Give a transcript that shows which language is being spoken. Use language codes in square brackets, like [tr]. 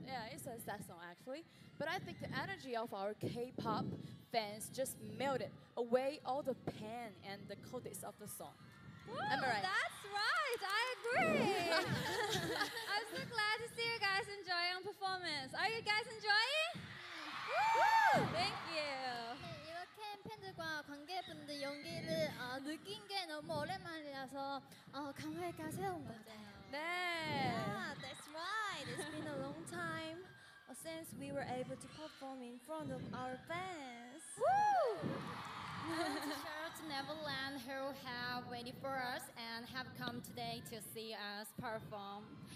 [en] Yeah, it's a sad song actually, but I think the energy of our K-pop fans just melted away all the pain and the coldness of the song. Whoa, right? That's right, I agree. I'm so glad to see you guys enjoying performance. Are you guys enjoying? Thank you. [ko] 팬들과 관계분들 연기를 느낀 게 너무 오랜만이라서 감회가 새로운 것 같아요. 네. [en] Yeah, that's right. It's been a long time since we were able to perform in front of our fans. Woo! I want to shout to Neverland who have waited for us and have come today to see us perform.